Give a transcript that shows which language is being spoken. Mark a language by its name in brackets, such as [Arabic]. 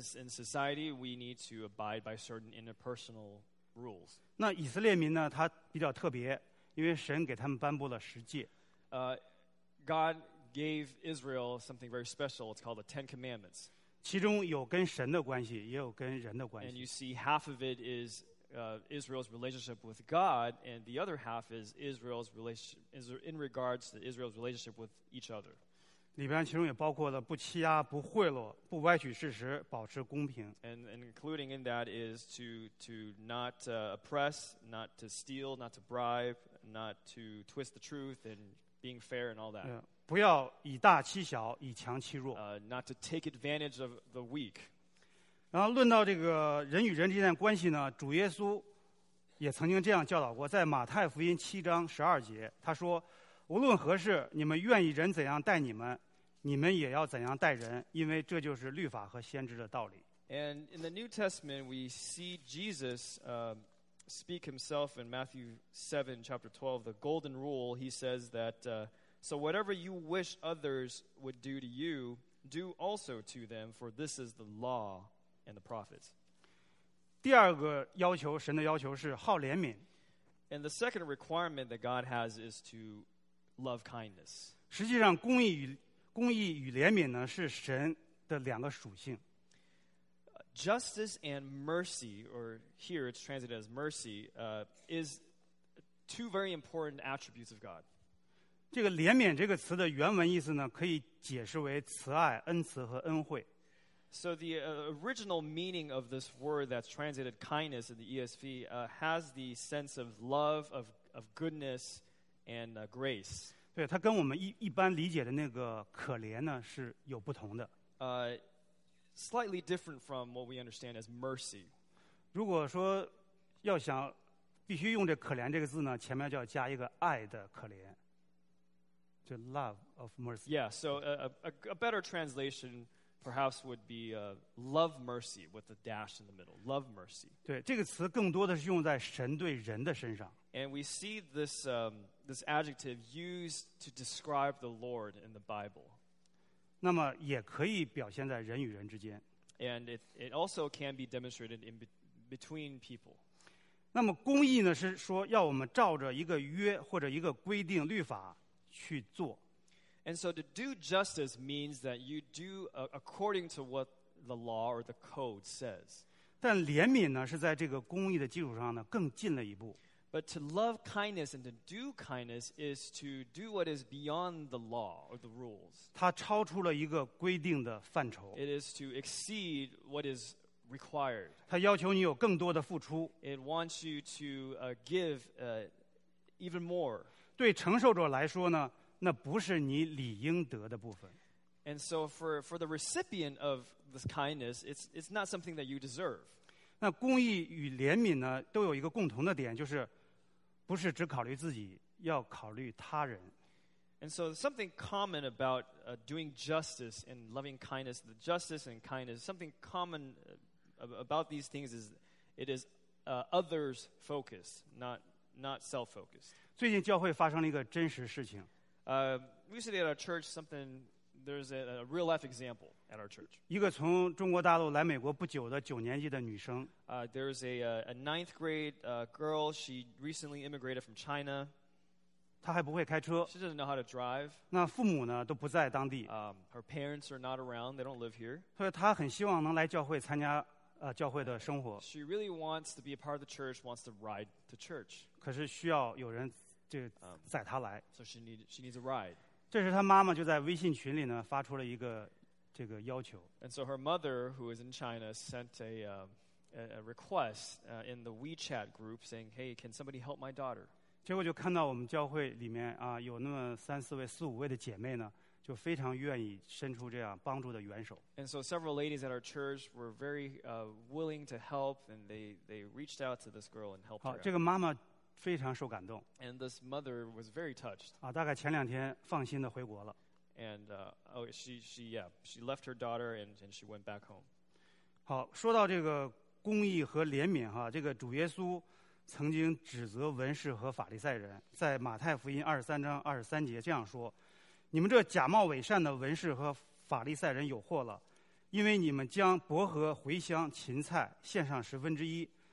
[English] society, we need to abide by certain interpersonal rules. [Chinese] 那以色列民呢，他比较特别，因为神给他们颁布了十诫。 [English] God gave Israel something very special. It's called the Ten Commandments. [Chinese] 其中有跟神的关系，也有跟人的关系。 [English] And you see half of it is Israel's relationship with God, and the other half is Israel's relationship in regards to Israel's relationship with each other. [Chinese] 里边其中也包括了不欺压、不贿赂、不歪曲事实、保持公平。 [English] And including in that is to not oppress, not to steal, not to bribe, not to twist the truth, and being fair and all that. Yeah. [Chinese] 不要以大欺小，以强欺弱。 [English] Not to take advantage of the weak. [Chinese] 然后论到这个人与人之间的关系呢，主耶稣也曾经这样教导过，在马太福音7章12节，他说：“无论何事，你们愿意人怎样待你们，你们也要怎样待人，因为这就是律法和先知的道理。 [English] And in the New Testament, we see Jesus speak himself in Matthew 7, chapter 12, the golden rule. He says that, so whatever you wish others would do to you, do also to them, for this is the law and the prophets. [Chinese] 第二个要求，神的要求是好怜悯。 [English] And the second requirement that God has is to love kindness. [Chinese] 实际上公义与怜悯呢，是神的两个属性。 [English] Justice and mercy, or here it's translated as mercy, is two very important attributes of God. [Chinese] 这个怜悯这个词的原文意思呢，可以解释为慈爱、恩慈和恩惠。 [English] So the original meaning of this word that's translated kindness in the ESV has the sense of love, of goodness, and grace. [Chinese] 对，它跟我们一般理解的那个可怜呢，是有不同的。 [English] Slightly different from what we understand as mercy. [Chinese] 如果说要想必须用这可怜这个字呢，前面就要加一个爱的可怜，就 [English] love of mercy. Yeah, so a better translation perhaps would be love mercy with a dash in the middle. Love mercy. [Chinese] 对，这个词更多的是用在神对人的身上。 [English] And we see this, this adjective used to describe the Lord in the Bible. [Chinese] 那么也可以表现在人与人之间。 [English] And it also can be demonstrated in between people. [Chinese] 那么公义呢，是说要我们照着一个约或者一个规定律法去做。 [English] And so to do justice means that you do according to what the law or the code says. [Chinese] 但怜悯呢，是在这个公义的基础上呢，更进了一步。 [English] But to love kindness and to do kindness is to do what is beyond the law or the rules. [Chinese] 它超出了一个规定的范畴。 [English] It is to exceed what is required. [Chinese] 它要求你有更多的付出。 [English] It wants you to give even more. [Chinese] 对承受者来说呢，那不是你理应得的部分。 [English] And so for the recipient of this kindness, it's not something that you deserve. [Chinese] 那公义与怜悯呢，都有一个共同的点，就是不是只考虑自己，要考虑他人。 [English] And so something common about doing justice and loving kindness, the justice and kindness, something common about these things is it is others focused, not self-focused. [Chinese] 最近教会发生了一个真实事情。 [English] Recently at our church, something, there's a real life example. At our church. [Chinese] 一个从中国大陆来美国不久的九年级的女生。 [English] There's a ninth grade girl. She recently immigrated from China. [Chinese] 她还不会开车。 [English] She doesn't know how to drive. [Chinese] 那父母呢都不在当地。 [English] Her parents are not around. They don't live here. [Chinese] 所以她很希望能来教会参加教会的生活。 [English] She really wants to be a part of the church. Wants to ride to church. [Chinese] 可是需要有人就载她来。 [English] So she needs a ride. [Chinese] 这时她妈妈就在微信群里呢发出了一个。这个要求。 [English] And so her mother, who is in China, sent a request in the WeChat group saying, "Hey, can somebody help my daughter?" [Chinese] 结果就看到我们教会里面啊，有那么三四位、四五位的姐妹呢，就非常愿意伸出这样帮助的援手。 [English] And so several ladies at our church were very willing to help, and they reached out to this girl and helped her. [Chinese] 这个妈妈非常受感动。 [English] And this mother was very touched. [Chinese] 啊，大概前两天放心的回国了。 [English] And she left her daughter and she went back home. [Chinese] 好，说到这个公义和怜悯哈，这个主耶稣曾经指责文士和法利赛人，在马太福音23:23这样说：“你们这假冒伪善的文士和法利赛人有祸了，因为你们将薄荷、茴香、芹菜献上十分之一。